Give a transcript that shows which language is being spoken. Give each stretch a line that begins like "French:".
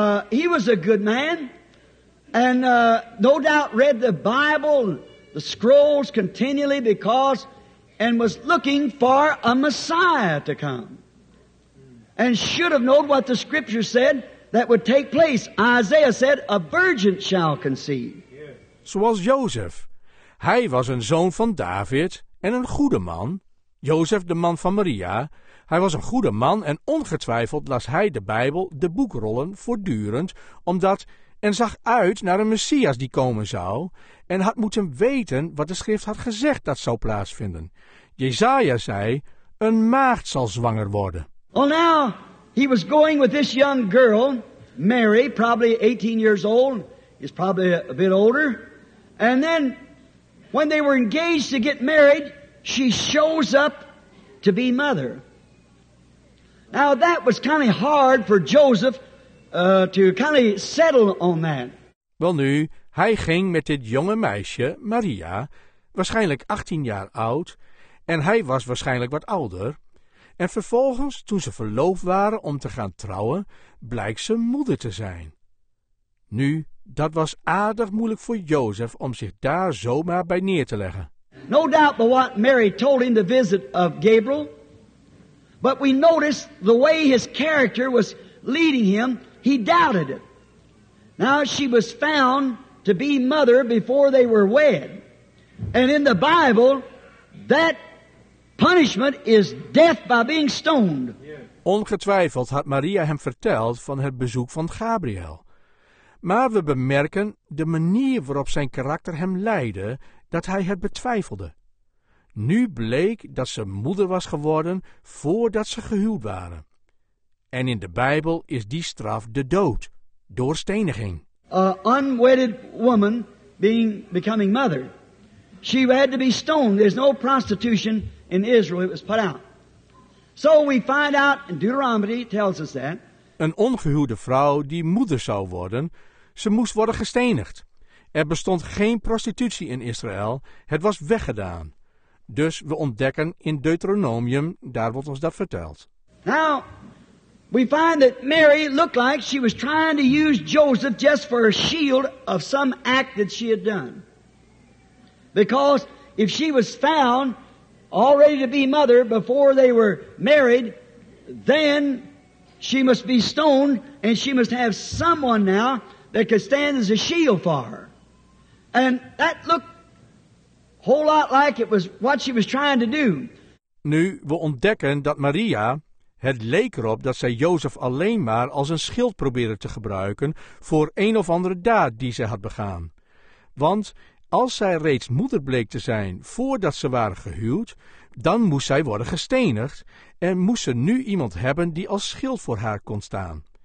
English: He was a good man and no doubt read the Bible, the scrolls continually because and was looking for a Messiah to come and should have known what the scripture said that would take place. Isaiah said, a virgin shall conceive.
Dutch: Zoals Joseph. Hij was een zoon van David en een goede man. Jozef, de man van Maria, hij was een goede man en ongetwijfeld las hij de Bijbel, de boekrollen, voortdurend, omdat en zag uit naar een Messias die komen zou en had moeten weten wat de schrift had gezegd dat zou plaatsvinden. Jesaja zei, een maagd zal zwanger worden.
English: Well, now he was going with this young girl, Mary, probably 18 years old, is probably a bit older. And then when they were engaged to get married, she shows up to be mother. Now that was kind of hard for Joseph to kind of settle on that.
Dutch: Wel nu, hij ging met dit jonge meisje, Maria, waarschijnlijk 18 jaar oud, en hij was waarschijnlijk wat ouder. En vervolgens, toen ze verloofd waren om te gaan trouwen, blijkt ze moeder te zijn. Nu, dat was aardig moeilijk voor Jozef om zich daar zomaar bij neer te leggen.
English: No doubt but what Mary told him the visit of Gabriel. But we notice the way his character was leading him, he doubted it. Now she was found to be mother before they were wed. And in the Bible, that punishment is death by being stoned.
Dutch: Ongetwijfeld had Maria hem verteld van het bezoek van Gabriel. Maar we bemerken de manier waarop zijn karakter hem leidde, dat hij het betwijfelde. Nu bleek dat ze moeder was geworden voordat ze gehuwd waren. En in de Bijbel is die straf de dood, door steniging.
English: An unwedded woman becoming mother. She had to be stoned. There's no prostitution in Israel. It was put out. So we find out, and Deuteronomy tells us that.
Dutch: Een ongehuwde vrouw die moeder zou worden, ze moest worden gestenigd. Er bestond geen prostitutie in Israël, het was weggedaan. Dus we ontdekken in Deuteronomium, daar wordt ons dat verteld.
English: Now, we find that Mary looked like she was trying to use Joseph just for a shield of some act that she had done. Because if she was found already to be mother before they were married, then she must be stoned and she must have someone now that could stand as a shield for her. And that looked a whole lot like it was what she was trying to do.
Dutch: Nu, we ontdekken dat Maria, het leek erop dat zij Jozef alleen maar als een schild probeerde te gebruiken voor een of andere daad die ze had begaan. Want als zij reeds moeder bleek te zijn voordat ze waren gehuwd, dan moest zij worden gestenigd en moest ze nu iemand hebben die als schild voor haar kon staan.